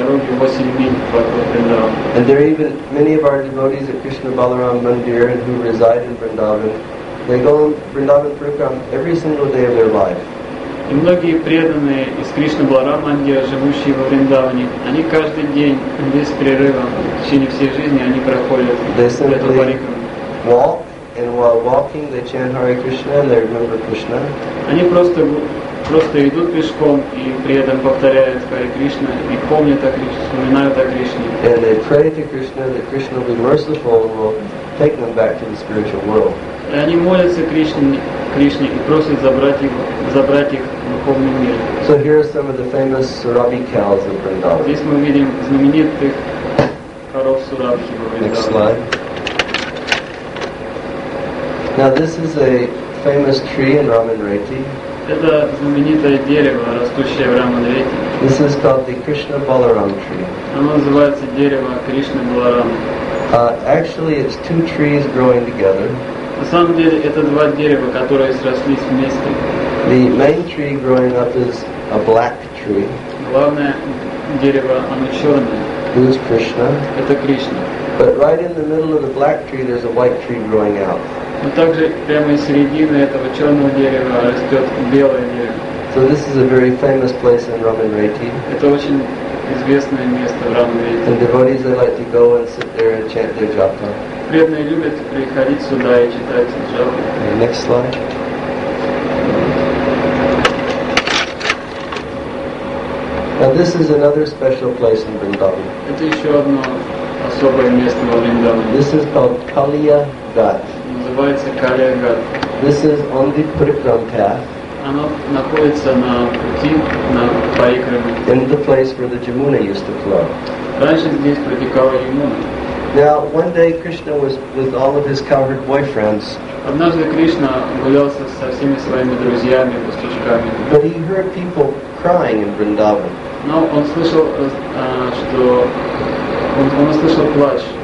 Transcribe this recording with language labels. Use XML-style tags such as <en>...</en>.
<en>And there are even many of our devotees at Krishna Balaram Mandir who reside in Vrindavan. They go Vrindavan Prakram every single day of their life.</en> <ru>И многие преданные из Кришна Баларам Мандира, живущие во Вриндаване, они каждый день без перерыва в течение всей жизни они проходят эту парикраму.</ru> <en>Walk, and while walking, they chant Hare Krishna and they remember Krishna.</en> <ru>Они просто идут пешком и при этом повторяют Hare Krishna и помнят о Кришне, вспоминают о Кришне.</ru> <en>And they pray to Krishna that Krishna will be merciful and will take them back to the spiritual world.</en> <ru>И они молятся Кришне и просят забрать их в духовный мир.</ru> <en>So here are some of the famous Surabhi cows of Vrindavan.</en> <ru>Здесь мы видим знаменитых коров Сурабхи в Вриндаване.</ru> <en>Next slide. Now this is a famous tree in Ramanreti.</en> <ru>Это знаменитое дерево, растущее в Раманрете.</ru> <en>This is called the Krishna Balaram tree.</en> <ru>Оно называется дерево Кришны Баларамы.</ru> <en>Actually, it's two trees growing together.</en> <ru>На самом деле, это два дерева, которые срослись вместе.</ru> <en>The main tree growing up is a black tree.</en> <ru>Главное дерево, оно черное.</ru> <en>Who is Krishna?</en> <ru>Это Кришна.</ru> <en>But right in the middle of the black tree, there's a white tree growing out.</en> <ru>Но также прямо из середины этого черного дерева растет белое дерево.</ru> <en>So this is a very famous place in Ramanreti.</en> <ru>Это очень известное место в Ramanreti.</ru> <en>And devotees would like to go and sit there and chant their japa.</en> <ru>Преданные любят приходить сюда и читать джапу.</ru> <en>Next slide. Now this is another special place in Vrindavan.</en> <ru>Это еще одно особое место во Вриндаване.</ru> <en>This is called Kaliya Ghat.</en> <ru>Называется Kaliya Ghat.</ru> <en>This is on the Parikram path.</en> <ru>Оно находится на пути на Парикраме.</ru> <en>In the place where the Jamuna used to flow.</en> <ru>Раньше здесь протекала Ямуна.</ru> <en>Now one day Krishna was with all of his cowherd boyfriends.</en> <ru>Однажды Кришна гулялся со всеми своими друзьями, пастушками.</ru> <en>But he heard people crying in Vrindavan.</en> <ru>Но он слышал, что он услышал плач.</ru>